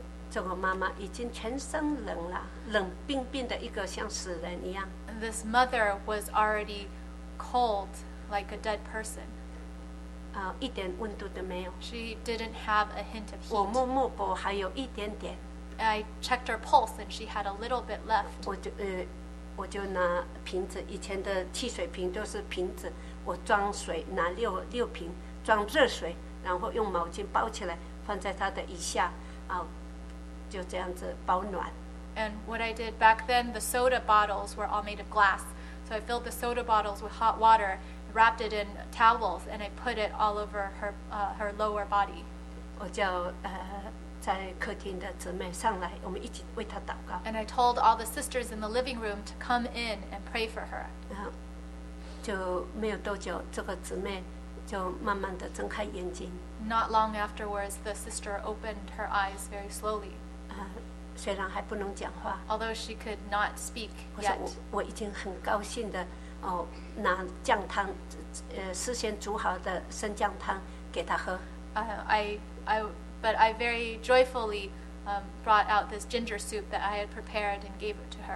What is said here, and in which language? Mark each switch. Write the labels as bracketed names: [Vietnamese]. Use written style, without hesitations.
[Chinese] 这个妈妈已经全身冷了，冷冰冰的一个像死人一样。 [English] This mother was already cold, like a dead person. [Chinese] 一点温度都没有。 [English] She didn't have a hint of heat. [Chinese] 我摸摸脖还有一点点。 [English] I checked her pulse and she had a little bit left. [Chinese] 我就拿瓶子，以前的汽水瓶都是瓶子，我装水，拿六瓶装热水，然后用毛巾包起来，放在她的腋下，就这样子保暖。 [English] And what I did back then, the soda bottles were all made of glass. So I filled the soda bottles with hot water, wrapped it in towels, and I put it all over her lower body. [Chinese] 我叫在客厅的姊妹上来，我们一起为她祷告。 [English] And I told all the sisters in the living room to come in and pray for her. [Chinese] 就没有多久，这个姊妹就慢慢地睁开眼睛。 [English] Not long afterwards, the sister opened her eyes very slowly. [Chinese] 虽然还不能讲话， [English] although she could not speak yet. [Chinese] 我已经很高兴的，拿姜汤，事先煮好的生姜汤给她喝。 [English] I very joyfully brought out this ginger soup that I had prepared and gave it to her.